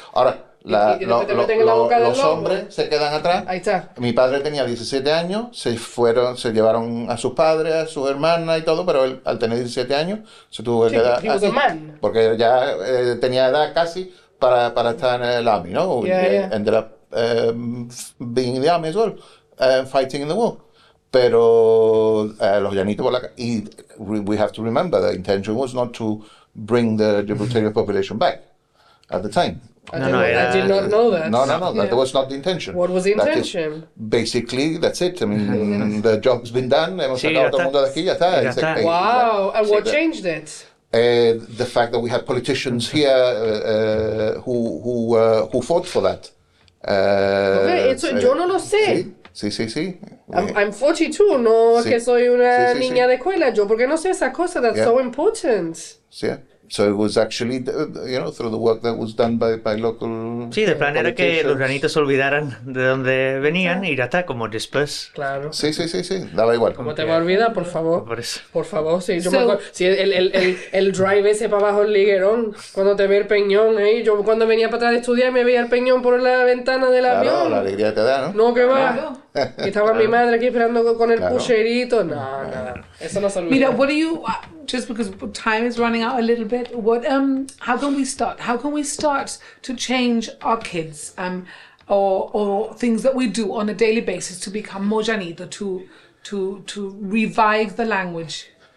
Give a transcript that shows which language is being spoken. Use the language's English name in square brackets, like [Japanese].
[Spanish] Ahora, los hombres se quedan atrás. Ahí está. Mi padre tenía 17 años, se llevaron a sus padres, a sus hermanas y todo, pero él, al tener 17 años, se tuvo que quedar así. Porque ya tenía edad casi para estar en el army, ¿no? [English] Yeah. Ended up being in the army as well, fighting in the war. [Spanish] Pero los llanitos por la calle. [English] Y we have to remember the intention was not to bring the Gibraltarian population back at the time. I did not know that. That was not the intention. What was the intention? Basically, that's it. I mean, the job's been done. [Spanish] Hemos sacado todo el mundo de aquí, ya está. [English] Wow, and what changed it? The fact that we had politicians here who fought for that. [Spanish] Yo no lo sé. Sí, sí, sí. [English] I'm 42, [Spanish] no es que soy una niña de escuela. Yo porque no sé esa cosa, [English] that's so important. Sí, so it was actually, you know, through the work that was done by local. [Spanish] Sí, el plan era que los granitos olvidaran de dónde venían y ya está, como después. Claro. Sí, sí, sí, sí, daba igual. ¿Cómo te va a olvidar, por favor? Por eso. Por favor, sí. Yo me acuerdo, sí, el drive ese para abajo el liguerón, cuando te ve el peñón ahí. Yo cuando venía para atrás de estudiar me veía el peñón por la ventana del claro, avión. Claro, la alegría te da, ¿no? No, que va. Y estaba mi madre aquí esperando con el pucherito. No, nada. Eso no se olvida. [English] Mira, what do you... just because time is running out a little bit, how can we start? How can we start to change our kids or things that we do on a daily basis to become more llanito, to revive the language?